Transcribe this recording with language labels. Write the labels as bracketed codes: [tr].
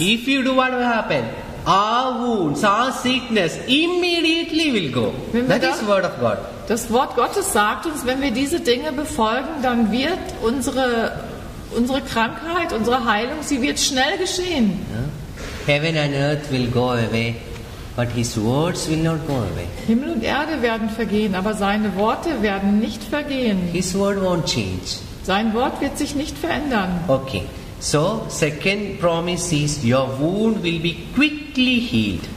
[en] If you do what will happen, our wounds, our sickness immediately will go. That is the word of God. [de] Das Wort Gottes sagt uns, wenn wir diese Dinge befolgen, dann wird unsere Krankheit, unsere Heilung, sie wird schnell geschehen. [en] Heaven and earth will go away, but his words will not go away. [de] Himmel und Erde werden vergehen, aber seine Worte werden nicht vergehen. [en] His word won't change. [de] Sein Wort wird sich nicht verändern. [en] Okay. So, second promise is your wound will be quickly healed.